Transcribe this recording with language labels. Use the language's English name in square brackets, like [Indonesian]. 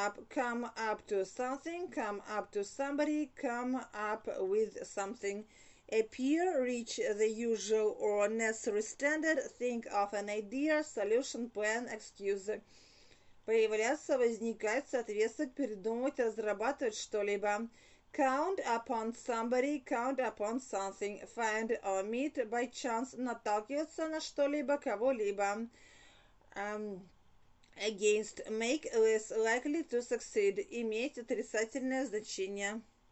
[English] Come up to something, come up to somebody, come up with something. Appear, reach the usual or necessary standard, think of an idea, solution, plan, excuse. [Russian] Появляться, возникать, соответствовать, придумывать, разрабатывать что-либо. [English] Count upon somebody, count upon something, find or meet by chance, [Russian] наталкиваться на что-либо, кого-либо. [English] Against, make less likely to succeed, [Russian] иметь отрицательное значение.